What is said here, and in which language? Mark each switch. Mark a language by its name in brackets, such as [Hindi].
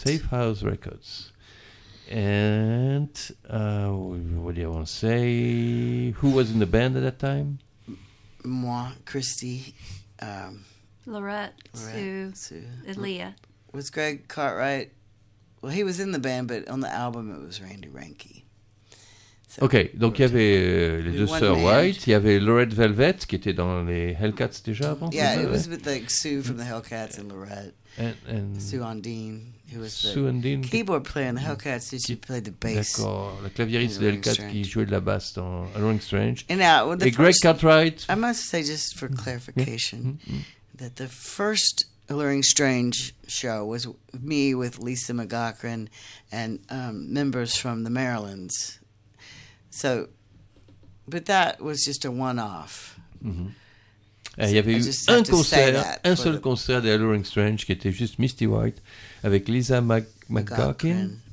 [English] Safe House Records. And what do you want to say? Who was in the band at that time? [French] Moi, Christy. [English] Lorette, Sue, and Leah. Was Greg Cartwright? Well, he was in the band, but on the album it was Randy Ranky. [French] Ok, donc il y avait les deux sœurs White, il y avait Lorette Velvet qui était dans les Hellcats déjà avant. [English] Yeah, it was with like Sue from the Hellcats and Lorette. And Sue Undine, who was Sue Undine, the keyboard player in the Hellcats, who she played the bass. [French] D'accord, la claviériste des Hellcats qui jouait de la basse dans Alluring Strange. [English] And now, well, the [French] et Greg Cartwright. [English] I must say, just for clarification, that the first Alluring Strange show was me with Lisa McGochran and members from the Marylands. So, but that was just a one-off. Mm-hmm. [French] So, il y avait eu un concert, un seul concert des Alluring Strange qui était juste Misty White avec Lisa McGochran.